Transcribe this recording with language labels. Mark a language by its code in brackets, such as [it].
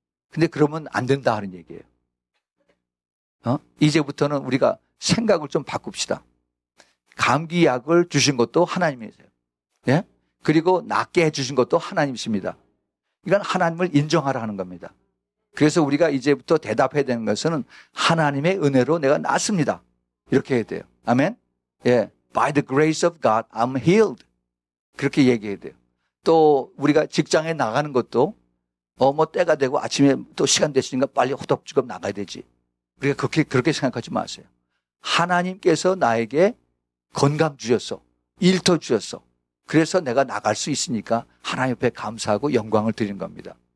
[ko] 근데 그러면 안 된다 하는 얘기예요. 이제부터는 우리가 생각을 좀 바꿉시다. 감기약을 주신 것도 하나님이세요. 예? 그리고 낫게 해 주신 것도 하나님이십니다. 이건 하나님을 인정하라 하는 겁니다. 그래서 우리가 이제부터 대답해야 되는 것은 하나님의 은혜로 내가 낫습니다. 이렇게 해야 돼요. 아멘? 예. [en] By the grace of God, I'm healed. [ko] 그렇게 얘기해야 돼요. 또 우리가 직장에 나가는 것도 뭐 때가 되고 아침에 또 시간 됐으니까 빨리 호덥지겁 나가야 되지. 우리가 그렇게 생각하지 마세요. 하나님께서 나에게 건강 주셨어. 일터 주셨어. 그래서 내가 나갈 수 있으니까 하나님 앞에 감사하고 영광을 드리는 겁니다.